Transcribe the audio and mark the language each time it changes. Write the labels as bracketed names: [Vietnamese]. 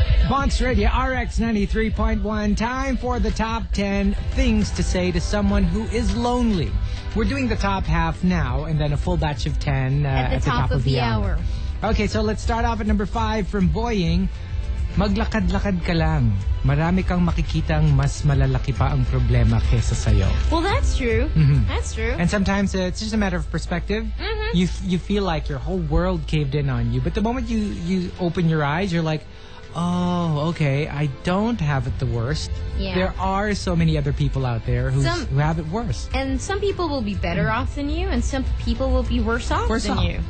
[English] Monster Radio RX 93.1, time for the top 10 things to say to someone who is lonely. We're doing the top half now and then a full batch of 10 at the top of the hour. Okay, so let's start off at number 5 from Boying. [Filipino] Maglakad-lakad ka lang. Marami kang makikita ang mas malalaki pa ang problema kesa sayo. [English] Well, that's true. Mm-hmm. That's true. And sometimes it's just a matter of perspective. Mm-hmm. You feel like your whole world caved in on you. But the moment you open your eyes, you're like, oh, okay. I don't have it the worst. Yeah. There are so many other people out there who have it worse. And some people will be better off than you, and some people will be worse off than you.